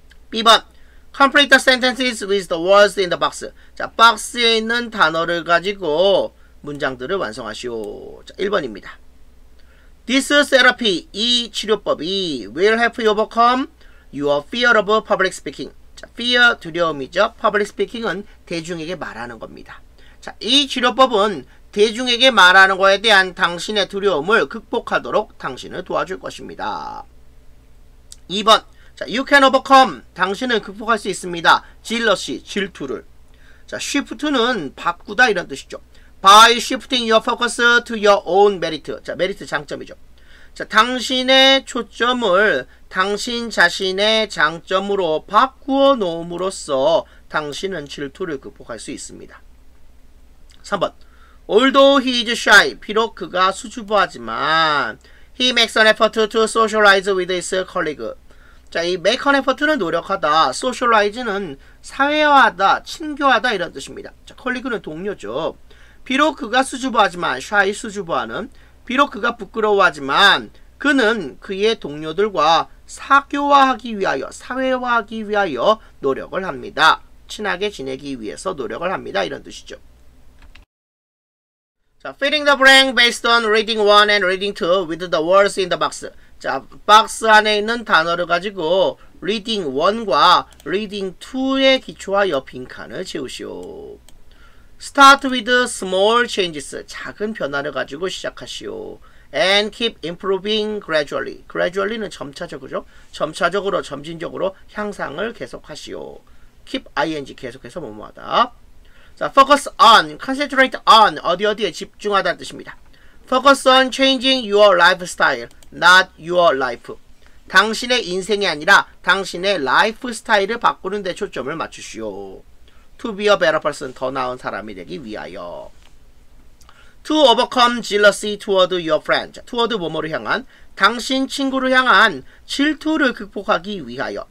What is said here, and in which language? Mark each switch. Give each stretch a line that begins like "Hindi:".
English: B번 complete the sentences with the words in the box.
Korean: 자, 박스에 있는 단어를 가지고 문장들을 완성하시오. 자, 1번입니다.
English: This therapy,
Korean: 이 치료법이
English: will help you overcome your fear of public speaking.
Korean: 자, fear, 두려움이죠. public speaking은 대중에게 말하는 겁니다. 자, 이 치료법은 대중에게 말하는 것에 대한 당신의 두려움을 극복하도록 당신을 도와줄 것입니다. 2번, 자,
English: you can overcome,
Korean: 당신은 극복할 수 있습니다. jealousy, 질투를. 자, shift는 바꾸다 이런 뜻이죠.
English: by shifting your focus to your own merit, 자, merit
Korean: 장점이죠. 자, 당신의 초점을 당신 자신의 장점으로 바꾸어 놓음으로써 당신은 질투를 극복할 수 있습니다.
English: 3번, although he is shy,
Korean: 비록 그가 수줍어하지만
English: he makes an effort to socialize with his colleague.
Korean: 자, 이 make an effort는 노력하다, socialize는 사회화하다, 친교하다 이런 뜻입니다. 자, colleague는 동료죠. 비록 그가 수줍어하지만, shy 수줍어하는, 비록 그가 부끄러워하지만 그는 그의 동료들과 사교화하기 위하여, 사회화하기 위하여 노력을 합니다. 친하게 지내기 위해서 노력을 합니다. 이런 뜻이죠.
English: 자, filling the blank based on reading 1 and reading 2 with the words in the box.
Korean: 자, 박스 안에 있는 단어를 가지고 reading 1과 reading 2에 기초하여 빈칸을 채우시오.
English: Start with small changes.
Korean: 작은 변화를 가지고 시작하시오.
English: And keep improving gradually.
Korean: Gradually는 점차적으로, 점차적으로, 점진적으로 향상을 계속하시오. Keep ing 계속해서 뭐뭐하다. 자,
English: focus on, concentrate on,
Korean: 어디 어디에 집중하다는 뜻입니다.
English: Focus on changing your lifestyle, not your life.
Korean: 당신의 인생이 아니라 당신의 라이프스타일을 바꾸는 데 초점을 맞추시오.
English: To be a better person,
Korean: 더 나은 사람이 되기 위하여.
English: To overcome jealousy toward your friend,
Korean: toward 뭐뭐를 향한, 당신 친구를 향한 질투를 극복하기 위하여.